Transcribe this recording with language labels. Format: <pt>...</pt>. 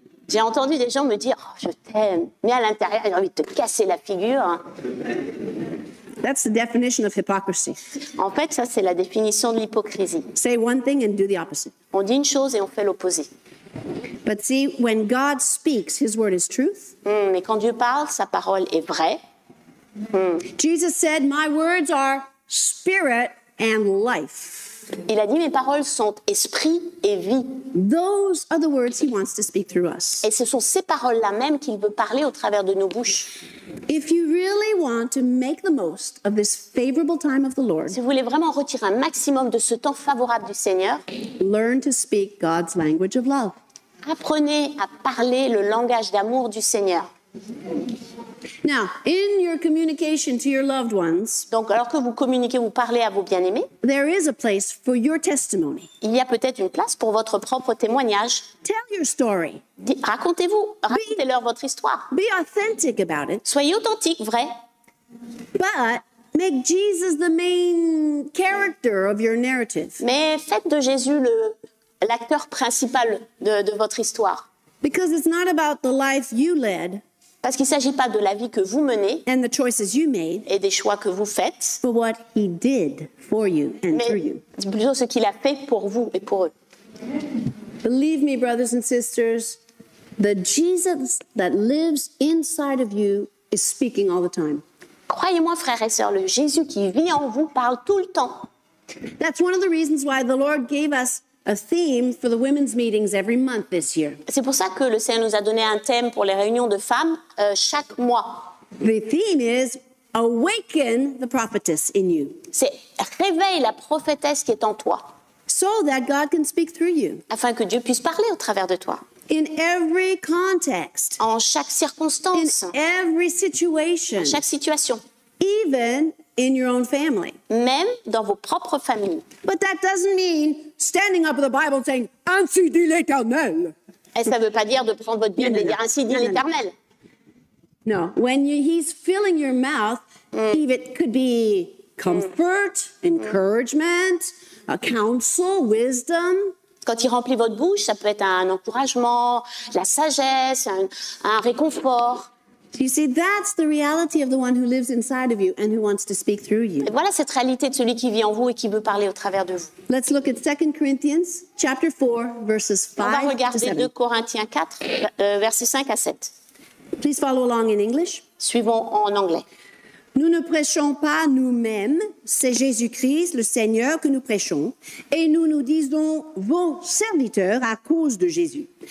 <fr>J'ai entendu des gens me dire, oh, je t'aime, mais à l'intérieur, j'ai envie de te casser la figure.</fr> <en>That's the definition of hypocrisy.</en> <fr>En fait, ça, c'est la définition de l'hypocrisie.</fr> <en>Say one thing and do the opposite.</en> <fr>On dit une chose et on fait l'opposé.</fr> <en>But see, when God speaks, his word is truth.</en> <fr>Mais quand Dieu parle, sa parole est vraie.</fr> <en>Jesus said, my words are spirit and life.</en> <fr>Il a dit, mes paroles sont esprit et vie.</fr> <en>Those are the words he wants to speak through us.</en> <fr>Et ce sont ces paroles-là même qu'il veut parler au travers de nos bouches.</fr> <en>If you really want to make the most of this favorable time of the Lord,</en> <fr>si vous voulez vraiment retirer un maximum de ce temps favorable du Seigneur,</fr> <en>learn to speak God's language of love.</en> <fr>Apprenez à parler le langage d'amour du Seigneur.</fr> <en>Now, in your communication to your loved ones,</en> <fr>donc alors que vous communiquez, vous parlez à vos bien-aimés,</fr> <en>there is a place for your testimony.</en> <fr>Il y a peut-être une place pour votre propre témoignage.</fr> <en>Tell your story.</en> <fr>Racontez-vous, racontez-leur votre histoire.</fr> <en>Be authentic about it.</en> <fr>Soyez authentique, vrai.</fr> <en>But make Jesus the main character of your narrative.</en> <fr>Mais faites de Jésus l'acteur principal de votre histoire.</fr> <en>Because it's not about the life you led.</en> <fr>Parce qu'il ne s'agit pas de la vie que vous menez</fr> <en>and the choices you made,</en> <fr>et des choix que vous faites,</fr> <en>but what he did for you and</en> <fr>mais</fr> <en>through you.</en> <fr>Plutôt ce qu'il a fait pour vous et pour eux.</fr> <en>Believe me, brothers and sisters, the Jesus that lives inside of you is speaking all the time.</en> <fr>Croyez-moi, frères et sœurs, le Jésus qui vit en vous parle tout le temps.</fr> <en>That's one of the reasons why the Lord gave us a theme for the women's meetings every month this year.</en> <fr>C'est pour ça que le Seigneur nous a donné un thème pour les réunions de femmes chaque mois.</fr> <en>The theme is awaken the prophetess in you.</en> <fr>C'est réveille la prophétesse qui est en toi.</fr> <en>So that God can speak through you.</en> <fr>Afin que Dieu puisse parler au travers de toi.</fr> <en>In every context.</en> <fr>En chaque circonstance.</fr> <en>In every situation.</en> <fr>En chaque situation.</fr> <en>Even in your own family.</en> <fr>Même dans vos propres familles.</fr> <en>But that doesn't mean standing up with the Bible saying,</en> <fr>ainsi dit l'Éternel. Et ça ne veut pas dire de prendre votre Bible et dire, ainsi dit l'Éternel.</fr> <en>No, when he's filling your mouth, it could be comfort, encouragement, a counsel, wisdom.</en> <fr>Quand il remplit votre bouche, ça peut être un encouragement, la sagesse, un réconfort.</fr> <en>You see, that's the reality of the one who lives inside of you and who wants to speak through you.</en> <fr>Et voilà cette réalité de celui qui vit en vous et qui veut parler au travers de vous.</fr> <en>Let's look at 2 Corinthians chapter 4, verses 5 to 7.</en> <fr>On va regarder 2 Corinthiens 4, versets 5 à 7.</fr> <en>Please follow along in English.</en> <fr>Suivons en anglais. Nous ne prêchons pas nous-mêmes, c'est Jésus-Christ, le Seigneur, que nous prêchons, et nous nous disons vos serviteurs à cause de Jésus.</fr>